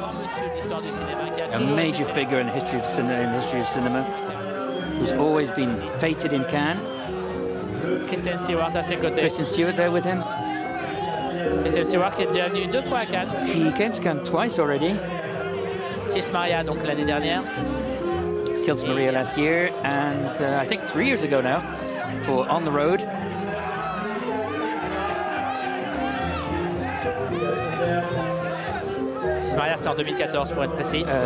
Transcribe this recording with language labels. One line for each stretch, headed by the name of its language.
English: A major figure in the history of cinema, who's always been fated in Cannes.
French: Kristen Stewart à ses côtés.
English: Kristen Stewart there with him.
French: Kristen Stewart qui est déjà venue deux fois à Cannes.
English: She came to Cannes twice already.
French: Sils Maria donc l'année dernière.
English: Sils Maria last year, and I think 3 years ago now for On the Road.
French: Maria, c'était en 2014 pour être précis.